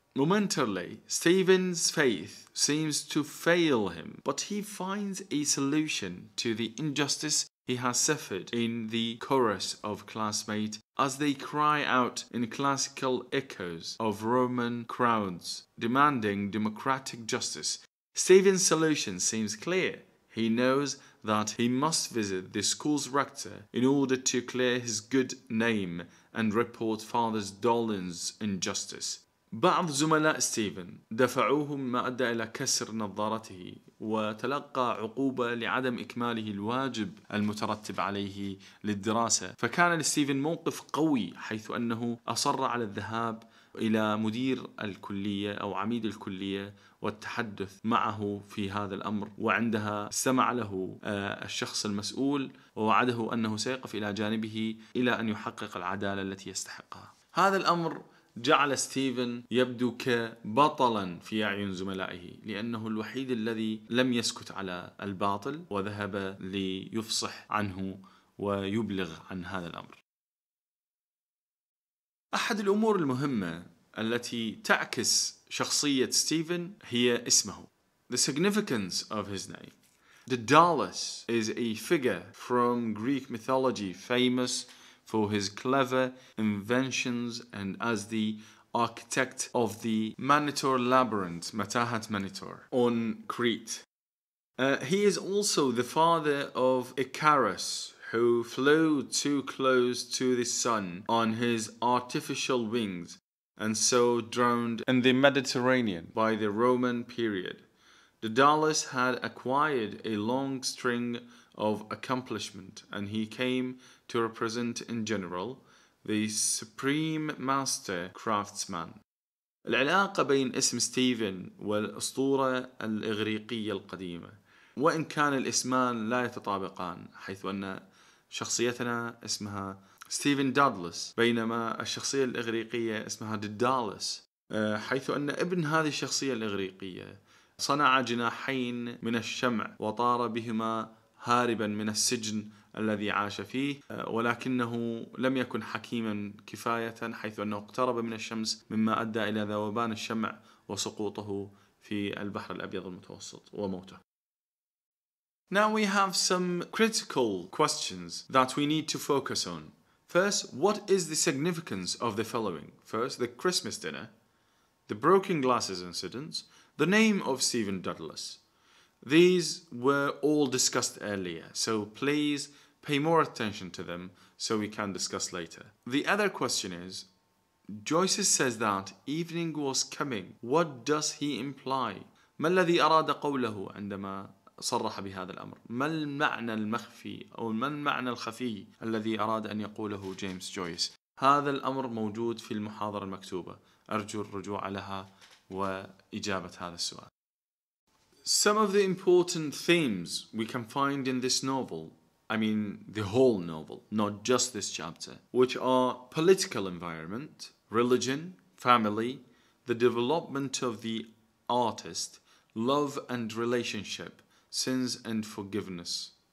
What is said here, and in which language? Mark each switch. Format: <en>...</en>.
<en>Momentarily, Stephen's faith seems to fail him, but he finds a solution to the injustice he has suffered in the chorus of classmates as they cry out in classical echoes of Roman crowds demanding democratic justice Stephen's solution seems clear. He knows that he must visit the school's rector in order to clear his good name and report Father Dolan's injustice.</en> <ar>بعض زملاء ستيفن دفعوه مما أدى إلى كسر نظارته وتلقى عقوبة لعدم إكماله الواجب المترتب عليه للدراسة. فكان لستيفن موقف قوي حيث أنه أصر على الذهاب إلى مدير الكلية أو عميد الكلية والتحدث معه في هذا الأمر، وعندها استمع له الشخص المسؤول ووعده أنه سيقف إلى جانبه إلى أن يحقق العدالة التي يستحقها. هذا الأمر جعل ستيفن يبدو كبطلا في أعين زملائه، لأنه الوحيد الذي لم يسكت على الباطل وذهب ليفصح عنه ويبلغ عن هذا الأمر. أحد الأمور المهمة التي تعكس شخصية ستيفن هي اسمه.</ar> <en>The significance of his name. Daedalus is a figure from Greek mythology famous for his clever inventions and as the architect of the Manitor Labyrinth, Matahat Manitor, on Crete. He is also the father of Icarus, who flew too close to the sun on his artificial wings and so drowned in the Mediterranean by the Roman period. Daedalus had acquired a long string of accomplishment, and he came to represent in general the supreme master craftsman.</en> <ar>العلاقة بين اسم ستيفن والأسطورة الإغريقية القديمة، وإن كان الاسمان لا يتطابقان حيث أن شخصيتنا اسمها ستيفن دادلس بينما الشخصية الإغريقية اسمها ديدالس، حيث أن ابن هذه الشخصية الإغريقية صنع جناحين من الشمع وطار بهما هاربا من السجن الذي عاش فيه، ولكنه لم يكن حكيما كفاية حيث أنه اقترب من الشمس مما أدى إلى ذوبان الشمع وسقوطه في البحر الأبيض المتوسط وموته.</ar> <en>Now we have some critical questions that we need to focus on. First, what is the significance of the following? First, the Christmas dinner, the broken glasses incidents, the name of Stephen Daedalus. These were all discussed earlier, so please pay more attention to them so we can discuss later. The other question is, Joyce says that evening was coming. What does he imply?</en> <ar>ما الذي أراد قوله عندما صرح بهذا الأمر؟ ما المعنى المخفي أو ما المعنى الخفي الذي أراد أن يقوله جيمس جويس؟ هذا الأمر موجود في المحاضرة المكتوبة، أرجو الرجوع لها وإجابة هذا السؤال.</ar> <en>Some of the important themes we can find in this novel, I mean the whole novel, not just this chapter, which are political environment, religion, family, the development of the artist, love and relationship, sins and forgiveness.</en>